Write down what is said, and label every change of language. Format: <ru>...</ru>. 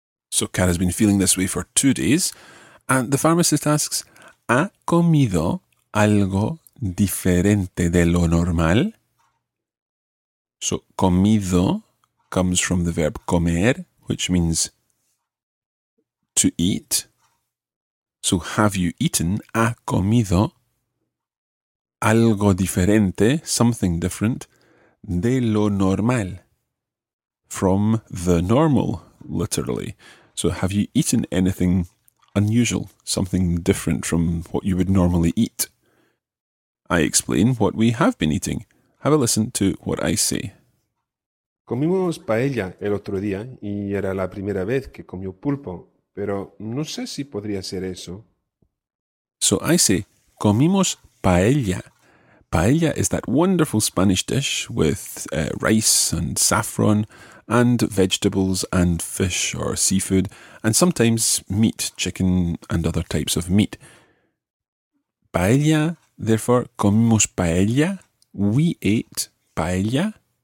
<en>So Cara's been feeling this way for 2 days, and the pharmacist asks,</en> <es>¿Ha comido algo diferente de lo normal?</es> <en>So, comido comes from the verb comer, which means to eat. So, have you eaten?</en> <es>¿Ha comido algo diferente,</es> <en>something different,</en> <es>de lo normal?</es> <en>From the normal, literally. So, have you eaten anything unusual, something different from what you would normally eat? I explain what we have been eating. Have a listen to what I say.</en> <es>Comimos paella el otro día y era la primera vez que comió pulpo, pero no sé si podría ser eso.</es> <en>So I say,</en> <es>comimos paella.</es> <en>Paella is that wonderful Spanish dish with rice and saffron and vegetables and fish or seafood and sometimes meat, chicken and other types of meat. Paella, therefore,</en> <es>comimos paella.</es> <en>We ate paella.</en>